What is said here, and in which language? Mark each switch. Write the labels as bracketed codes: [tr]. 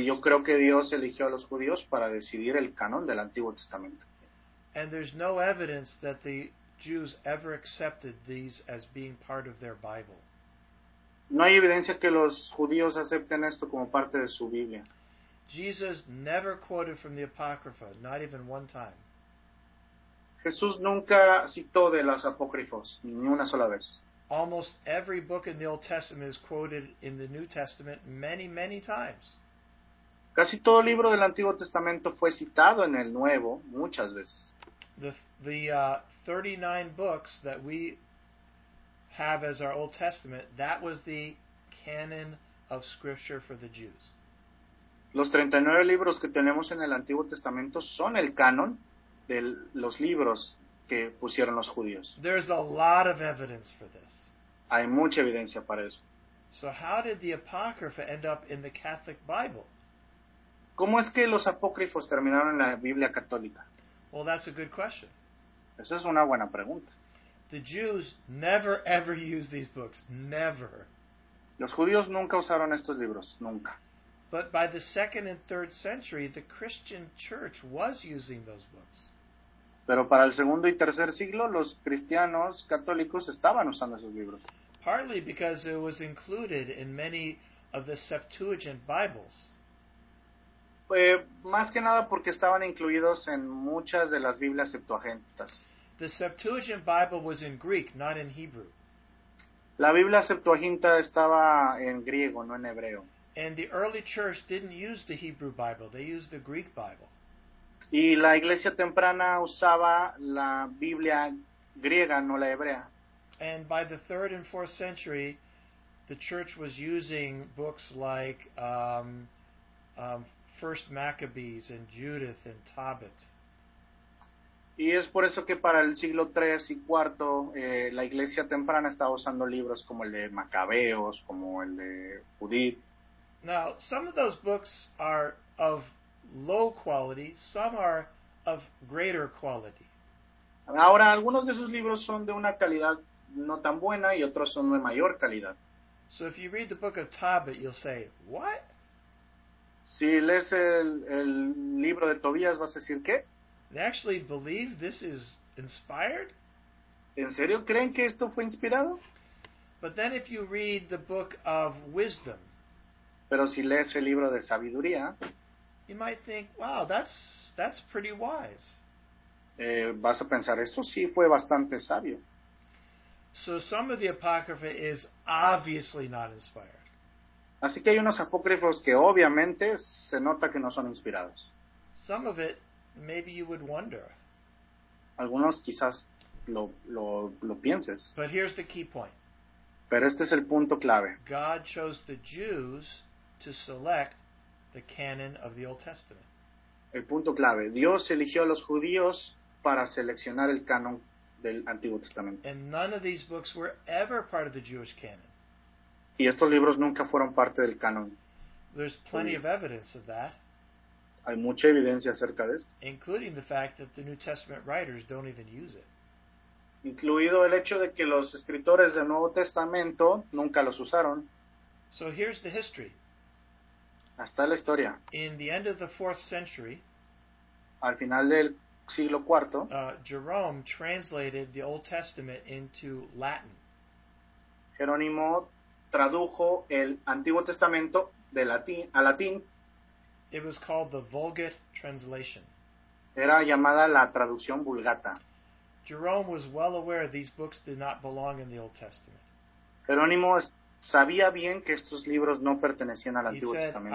[es] Y yo creo que Dios eligió a los judíos para decidir el canon del Antiguo Testamento. [en] And there's no evidence that the Jews ever accepted these as being part of their Bible. [es] No hay evidencia que los judíos acepten esto como parte de su Biblia. [en] Jesus never quoted from the Apocrypha, not even one time. [es] Jesús nunca citó de los apócrifos, ni una sola vez. [en] Almost every book in the Old Testament is quoted in the New Testament many, many times. [es] Casi todo libro del Antiguo Testamento fue citado en el Nuevo muchas veces. [en] The 39 books that we have as our Old Testament, that was the canon of Scripture for the Jews. [es] Los 39 libros que tenemos en el Antiguo Testamento son el canon de los libros que pusieron los judíos. [en] There's a lot of evidence for this. [es] Hay mucha evidencia para eso. [en] So how did the Apocrypha end up in the Catholic Bible? [es] ¿Cómo es que los apócrifos terminaron en la Biblia católica? [en] Well, that's a good question. [es] Esa es una buena pregunta. [en] The Jews never ever used these books. Never. [es] Los judíos nunca usaron estos libros. Nunca. [en] But by the 2nd and 3rd century, the Christian church was using those books. [es] Pero para el 2nd y 3rd siglo, los cristianos católicos estaban usando esos libros. [en] Partly because it was included in many of the Septuagint Bibles. [es] Más que nada porque estaban incluidos en muchas de las Biblias Septuagintas. [en] The Septuagint Bible was in Greek, not in Hebrew. [es] La Biblia Septuaginta estaba en griego, no en hebreo. [en] And the early church didn't use the Hebrew Bible, they used the Greek Bible. [es] Y la iglesia temprana usaba la Biblia griega, no la hebrea. [en] And by the 3rd and 4th century, the church was using books like 1 Maccabees and Judith and Tobit. [es] Y es por eso que para el siglo 3 y 4, la iglesia temprana estaba usando libros como el de Macabeos, como el de Judith. [en] Now, some of those books are of low quality, some are of greater quality. [es] Ahora, algunos de esos libros son de una calidad no tan buena y otros son de mayor calidad. [en] So if you read the book of Tobit, you'll say, what? [es] Si lees el libro de Tobías, vas a decir, ¿qué? [en] They actually believe this is inspired? [es] ¿En serio creen que esto fue inspirado? [en] But then if you read the book of Wisdom, [es] pero si lees el libro de Sabiduría, [en] you might think, wow, that's pretty wise. [es] Vas a pensar, esto sí fue bastante sabio. [en] So some of the Apocrypha is obviously not inspired. [es] Así que hay unos apócrifos que obviamente se nota que no son inspirados. [en] Some of it, maybe you would wonder. [es] Algunos quizás lo pienses. [en] But here's the key point. [es] Pero este es el punto clave. [en] God chose the Jews to select the canon of the Old Testament. [es] El punto clave. Dios eligió a los judíos para seleccionar el canon del Antiguo Testamento. [en] And none of these books were ever part of the Jewish canon. [es] Y estos libros nunca fueron parte del canon. [en] There's plenty of evidence of that. [es] Hay mucha evidencia acerca de esto. [en] Including the fact that the New Testament writers don't even use it. [es] Incluido el hecho de que los escritores del Nuevo Testamento nunca los usaron. [en] So here's the history. [es] Hasta la historia. [en] In the end of the 4th century, [es] al final del siglo IV, [en] Jerome translated the Old Testament into Latin. [es] Jerónimo tradujo el Antiguo Testamento de latín a latín. [en] It was called the Vulgate translation. [es] Era llamada la traducción Vulgata. [en] Jerome was well aware these books did not belong in the Old Testament. [es] Jerónimo sabía bien que estos libros no pertenecían al Antiguo Testamento.